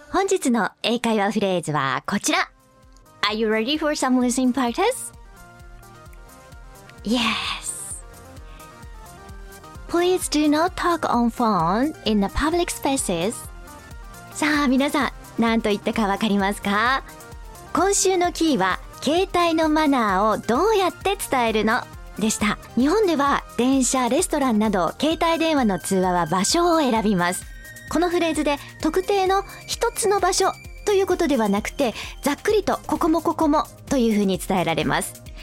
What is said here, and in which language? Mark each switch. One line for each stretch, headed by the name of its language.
Japanese: 本日の英会話フレーズはこちら。
English: Are you ready for some listening practice? Yes. Please do not talk on phone in the public spaces.
Japanese: さあ皆さん、何と言ったかわかりますか？今週のキーは携帯のマナーをどうやって伝えるのでした。日本では電車、レストランなど携帯電話の通話は場所を選びます。このフレーズで特定の一つの場所ということではなくて、ざっくりとここもここもというふうに伝えられます。